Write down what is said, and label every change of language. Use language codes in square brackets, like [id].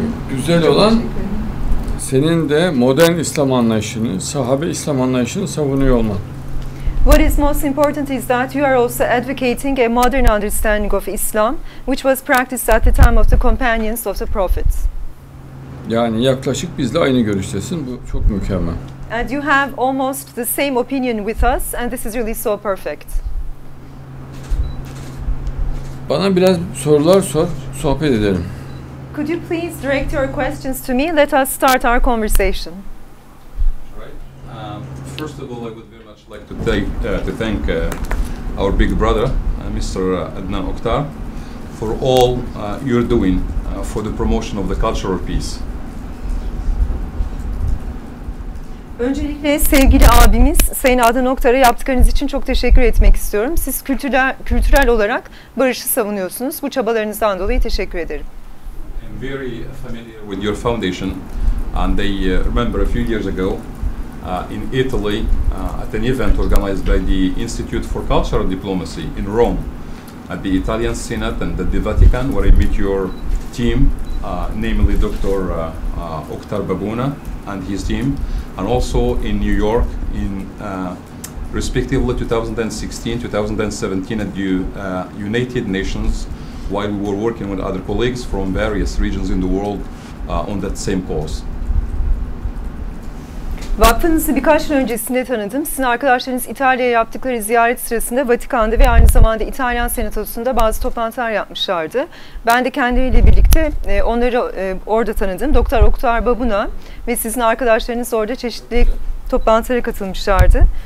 [tr] Güzel olan senin de modern İslam anlayışını, sahabe İslam anlayışını savunuyor olman. [en] What is most important is that you are also advocating a modern understanding of Islam, which was practiced at the time of the companions of the prophets. [tr] Yani yaklaşık bizle aynı görüştesin. Bu çok mükemmel. [en] And you have almost the same opinion with us, and this is really so perfect. [tr] Bana biraz sorular sor, sohbet edelim. [en] Could you please direct your questions to me? Let us start our conversation. Right. First of all, I would very much like to thank our big brother, Mr. Adnan Oktar, for all you're doing for the promotion of the culture of peace. [tr] Öncelikle sevgili abimiz Sayın Adnan Oktar'a yaptıklarınız için çok teşekkür etmek istiyorum. Siz kültürel olarak barışı savunuyorsunuz. Bu çabalarınızdan dolayı teşekkür ederim. [en] Very familiar with your foundation, and I remember a few years ago in Italy at an event organized by the Institute for Cultural Diplomacy in Rome at the Italian Senate and the Vatican, where I met your team, namely Dr. Oktar Babuna and his team, and also in New York in respectively 2016-2017 at the United Nations, while we were working with other colleagues from various regions in the world on that same cause. [tr] Vakfınızı birkaç yıl öncesinde tanıdım. Sizin arkadaşlarınız İtalya'ya yaptıkları ziyaret sırasında Vatikan'da ve aynı zamanda İtalyan Senatosu'nda bazı toplantılar yapmışlardı. Ben de kendileriyle birlikte onları orada tanıdım. Doktor Oktar Babuna ve sizin arkadaşlarınız orada çeşitli toplantılara katılmışlardı.